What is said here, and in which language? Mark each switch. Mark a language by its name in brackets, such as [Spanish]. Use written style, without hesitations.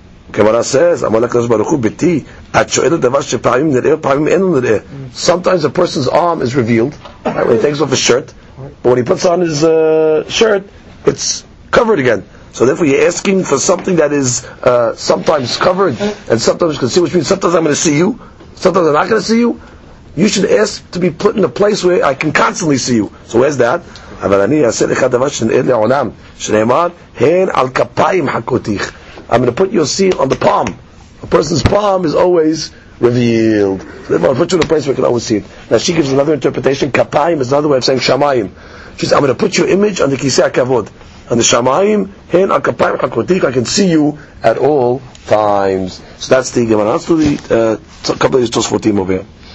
[English] Gemara says, sometimes a person's arm is revealed, right, when he takes off his shirt, but when he puts on his shirt, it's covered again. So therefore you're asking for something that is sometimes covered and sometimes concealed, which means sometimes I'm going to see you, sometimes I'm not going to see you. You should ask to be put in a place where I can constantly see you. So where's that? [Hebrew] אבל אני אעשה לך דבר שנאה לעולם שנאמר הן על כפיים חכותיך. [English] I'm going to put your seal on the palm. A person's palm is always revealed. So I'm going to put you in a place where you can always see it. Now she gives another interpretation. כפיים is another way of saying שמיים. She says, I'm going to put your image on the כיסא הכבוד. On the שמיים [Hebrew] הן על כפיים חכותיך. [English] I can see you at all times. So that's the Gemara. Let's do the couple of these Tosfotim over here.